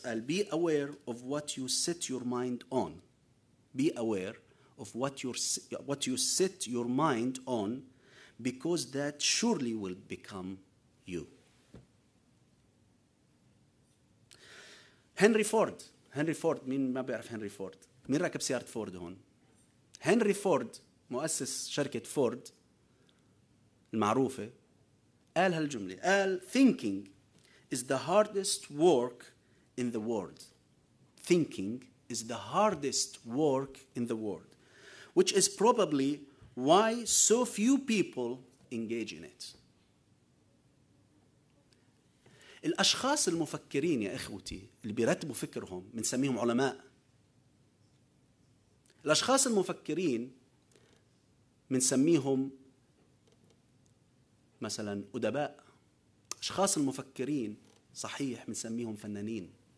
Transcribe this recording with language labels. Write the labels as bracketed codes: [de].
[ar] قال [en] be aware of what you set your mind on. Be aware of what you set your mind on, because that surely will become you. [ar] هنري فورد. هنري فورد، مين ما بيعرف هنري فورد؟ مين راكب سيارة فورد هون؟ هنري فورد مؤسس شركة فورد المعروفة قال هالجملة، قال [en] thinking is the hardest work in the world. Thinking is the hardest work in the world, which is probably why so few people engage in it. [ar] الأشخاص المفكرين يا إخوتي اللي بيرتبوا فكرهم بنسميهم علماء. الأشخاص المفكرين بنسميهم مثلا أدباء. الأشخاص المفكرين صحيح بنسميهم فنانين.